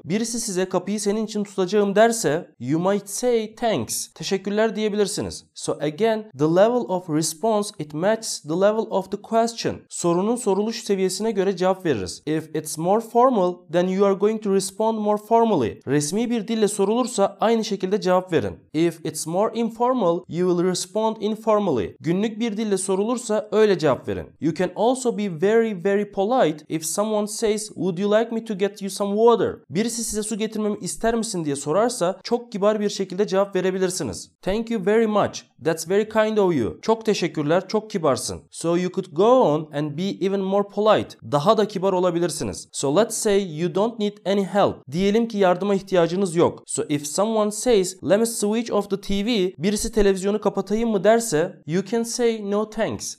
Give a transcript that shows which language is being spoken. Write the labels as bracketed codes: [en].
[tr] Birisi size kapıyı senin için tutacağım derse, [en] you might say thanks. [tr] Teşekkürler diyebilirsiniz. [en] So again, the level of response, it matches the level of the question. [tr] Sorunun soruluş seviyesine göre cevap veririz. [en] If it's more formal, then you are going to respond more formally. [tr] Resmi bir dille sorulursa aynı şekilde cevap verin. [en] If it's more informal, you will respond informally. [tr] Günlük bir dille sorulursa öyle cevap verin. [en] You can also be very very polite if someone says, would you like me to get you some water? [tr] Birisi size su getirmemi ister misin diye sorarsa çok kibar bir şekilde cevap verebilirsiniz. [en] Thank you very much. That's very kind of you. [tr] Çok teşekkürler, çok kibarsın. [en] So you could go on and be even more polite. [tr] Daha da kibar olabilirsiniz. [en] So let's say you don't need any help. [tr] Diyelim ki yardıma ihtiyacınız yok. [en] So if someone says, let me switch off the TV, [tr] birisi televizyonu kapatayım mı derse, [en] you can say no thanks.